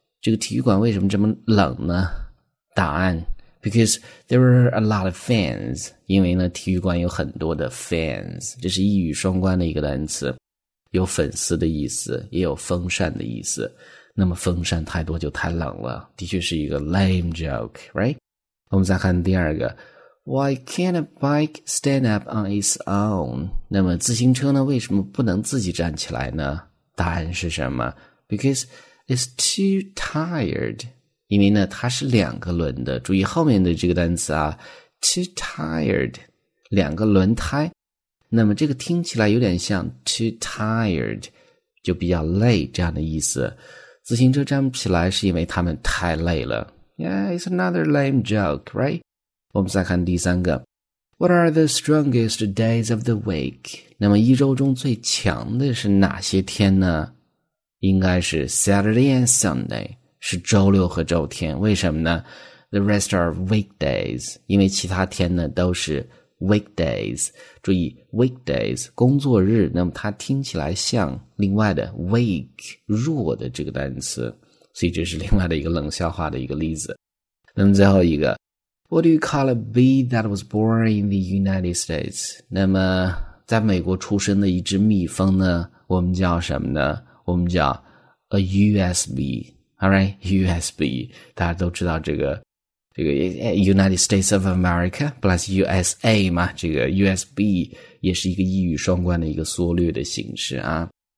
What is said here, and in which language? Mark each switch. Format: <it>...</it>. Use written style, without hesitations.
<zh>这个体育馆为什么这么冷呢？答案 Because there were a lot of fans，因为呢体育馆有很多的 fans， 这是一语双关的一个单词，有粉丝的意思也有风扇的意思。那么风扇太多就太冷了，的确是一个 lame joke， right？</zh> <en>我们再看第二个 Why can't a bike stand up on its own？</en> <zh>那么自行车呢为什么不能自己站起来呢？答案是什么？ Because it's too tired，因为呢它是两个轮的。注意后面的这个单词啊，Too tired， 两个轮胎，那么这个听起来有点像 too tired， 就比较累这样的意思。自行车站不起来是因为他们太累了。</zh> <en>Yeah, it's another lame joke, right?</en> <zh>我们再看第三个。</zh> <en>What are the strongest days of the week?</en> <zh>那么一周中最强的是哪些天呢？应该是 Saturday and Sunday，是周六和周天。为什么呢？ The rest are weekdays，因为其他天呢都是 weekdays。注意 weekdays 工作日，那么它听起来像另外的 week 弱的这个单词，所以这是另外的一个冷笑话的一个例子。</zh> <en>那么最后一个 What do you call a bee that was born in the United States？</en> <zh>那么在美国出生的一只蜜蜂呢我们叫什么呢？我们叫 a US bee。 Alright， US bee 大家都知道这个United States of America plus USA 嘛，这个 USB 也是一个一语双关的一个缩略的形式啊。</zh>